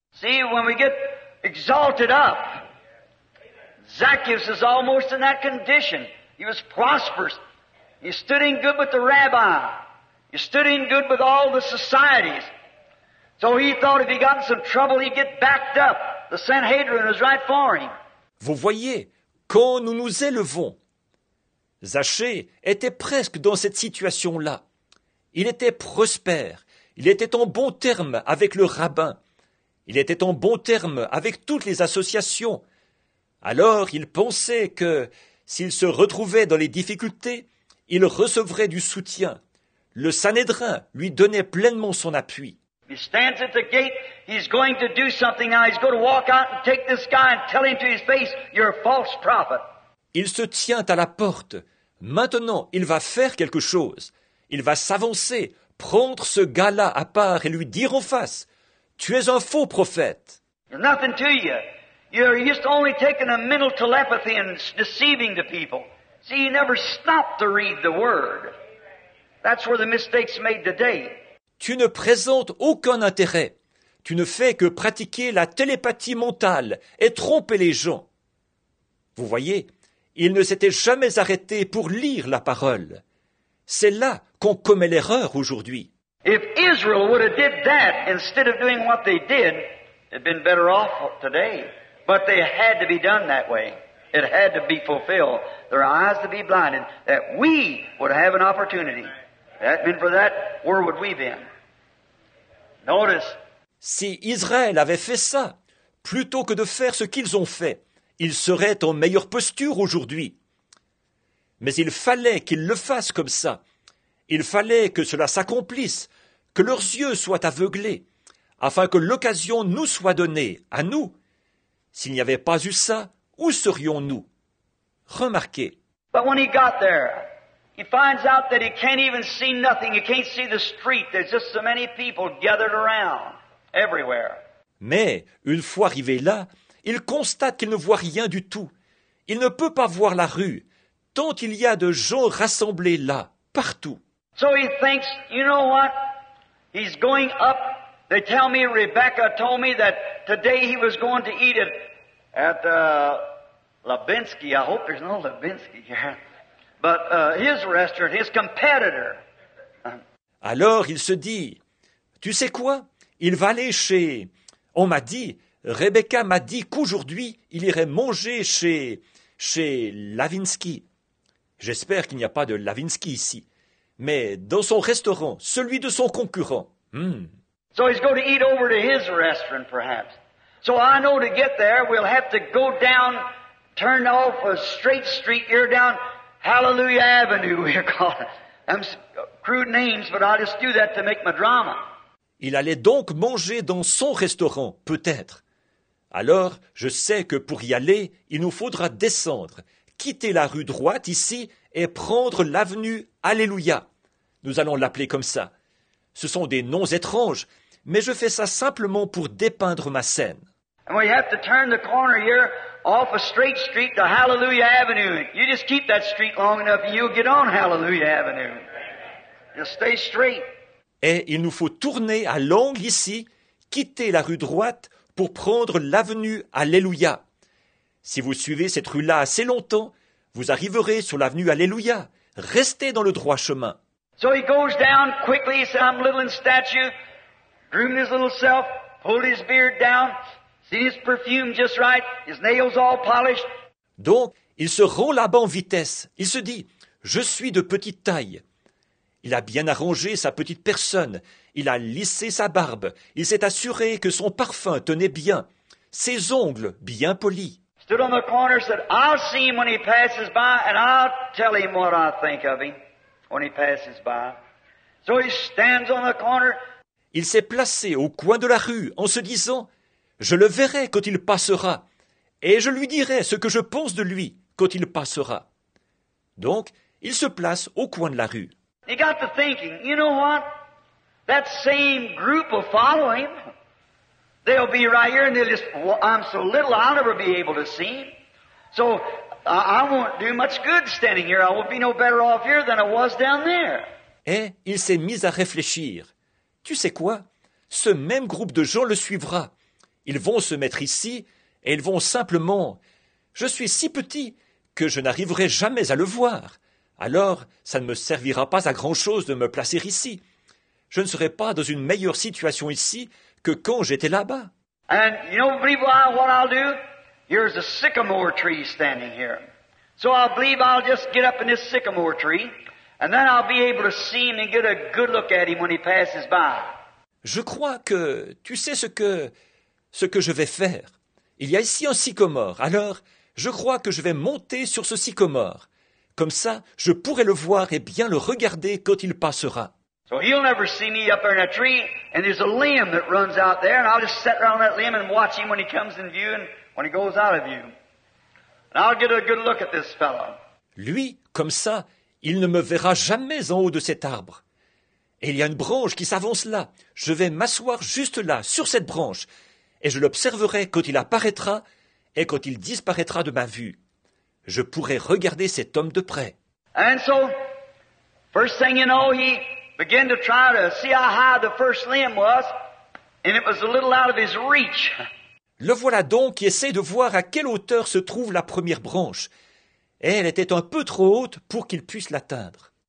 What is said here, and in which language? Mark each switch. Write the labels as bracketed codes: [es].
[en] See, when we get exalted up, Zacchaeus is almost in that condition. He was prosperous. He stood in good with the rabbi. He stood in good with all the societies. So he thought if he got in some trouble, he'd get backed up. The Sanhedrin was right for him. [fr] Vous voyez, quand nous nous élevons, Zachée était presque dans cette situation-là. Il était prospère, il était en bon terme avec le rabbin, il était en bon terme avec toutes les associations. Alors il pensait que s'il se retrouvait dans les difficultés, il recevrait du soutien. Le Sanhédrin lui donnait pleinement son appui. [en] He stands at the gate, he's going to do something now, he's going to walk out and take this guy and tell him to his face, you're a false prophet. [fr] Il se tient à la porte, Maintenant, il va faire quelque chose. Il va s'avancer, prendre ce gars-là à part et lui dire en face, « Tu es un faux prophète. » [en] You're nothing to you. You're just only taking a mental telepathy and deceiving the people. See, you never stopped to read the word. That's where the mistake's made today. [fr] Tu ne présentes aucun intérêt. Tu ne fais que pratiquer la télépathie mentale et tromper les gens. Vous voyez, il ne s'était jamais arrêté pour lire la parole. C'est là qu'on commet l'erreur aujourd'hui. [en] If Israel would have did that instead of doing what they did, it'd been better off today. But they had to be done that way. It had to be fulfilled. Their eyes to be blinded, that we would have an opportunity. That meant for that, where would we been? Notice. [fr] Si Israël avait fait ça, plutôt que de faire ce qu'ils ont fait, ils seraient en meilleure posture aujourd'hui. Mais il fallait qu'ils le fassent comme ça. Il fallait que cela s'accomplisse, que leurs yeux soient aveuglés, afin que l'occasion nous soit donnée, à nous. S'il n'y avait pas eu ça, où serions-nous? Remarquez. [en] But when he got there, he finds out that he can't even see nothing. He can't see the street. There's just so many people gathered around, everywhere. [fr] Mais, une fois arrivé là, il constate qu'il ne voit rien du tout. Il ne peut pas voir la rue, tant il y a de gens rassemblés là, partout. [en] So he thinks, you know what? He's going up. They tell me Rebecca told me that today he was going to eat it at the Levinsky. I hope there's no Levinsky here. But his restaurant, his competitor. [fr] Alors il se dit, tu sais quoi? Il va aller chez... On m'a dit, Rebecca m'a dit qu'aujourd'hui, il irait manger chez Levinsky. J'espère qu'il n'y a pas de Levinsky ici. Mais dans son restaurant, celui de son concurrent. [en] So he's going to eat over to his restaurant, perhaps. So I know to get there, we'll have to go down, turn off a straight street here down Hallelujah Avenue, we call it. I'm crude names, but I'll just do that to make my drama. [fr] Il allait donc manger dans son restaurant, peut-être. Alors, je sais que pour y aller, il nous faudra descendre, quitter la rue droite ici et prendre l'avenue Alléluia. Nous allons l'appeler comme ça. Ce sont des noms étranges, mais je fais ça simplement pour dépeindre ma scène. [en] And we have to turn the corner here off a straight street to Hallelujah Avenue. You just keep that street long enough and you'll get on Hallelujah Avenue. Just stay straight. [fr] Et il nous faut tourner à l'angle ici, quitter la rue droite pour prendre l'avenue Alléluia. Si vous suivez cette rue-là assez longtemps, vous arriverez sur l'avenue Alléluia. Restez dans le droit chemin. [en] So he goes down quickly, he said, I'm little in stature, groomed his little self, pulled his beard down, see his perfume just right, his nails all polished. [fr] Donc, il se rend là-bas en vitesse. Il se dit, je suis de petite taille. Il a bien arrangé sa petite personne, il a lissé sa barbe, il s'est assuré que son parfum tenait bien, ses ongles bien polis. [en] Stood on the corner, said, I'll see him when he passes by and I'll tell him what I think of him. When he passes by. So he stands on the corner. [fr] Il s'est placé au coin de la rue en se disant, je le verrai quand il passera, et je lui dirai ce que je pense de lui quand il passera. Donc, il se place au coin de la rue. [en] He got to thinking, you know what? That same group will follow him. They'll be right here and they'll just, well, I'm so little, I'll never be able to see him. So, I won't do much good standing here. I will be no better off here than I was down there. [fr] Et il s'est mis à réfléchir. Tu sais quoi? Ce même groupe de gens le suivra. Ils vont se mettre ici et ils vont simplement... Je suis si petit que je n'arriverai jamais à le voir. Alors, ça ne me servira pas à grand-chose de me placer ici. Je ne serai pas dans une meilleure situation ici que quand j'étais là-bas. [en] And you don't believe what I'll do? Here's a sycamore tree standing here. So I believe I'll just get up in this sycamore tree, and then I'll be able to see him and get a good look at him when he passes by. [fr] Je crois que, tu sais ce que je vais faire. Il y a ici un sycomore, alors je crois que je vais monter sur ce sycomore. Comme ça, je pourrai le voir et bien le regarder quand il passera. [en] So he'll never see me up there in a tree, and there's a limb that runs out there, and I'll just sit around that limb and watch him when he comes in view and when he goes out of you. And I'll get a good look at this fellow. [fr] Lui, comme ça, il ne me verra jamais en haut de cet arbre. Et il y a une branche qui s'avance là. Je vais m'asseoir juste là, sur cette branche, et je l'observerai quand il apparaîtra et quand il disparaîtra de ma vue. Je pourrai regarder cet homme de près. [en] And so, first thing you know, he began to try to see how high the first limb was, and it was a little out of his reach. [fr] Le voilà donc qui essaie de voir à quelle hauteur se trouve la première branche. Et elle était un peu trop haute pour qu'il puisse l'atteindre.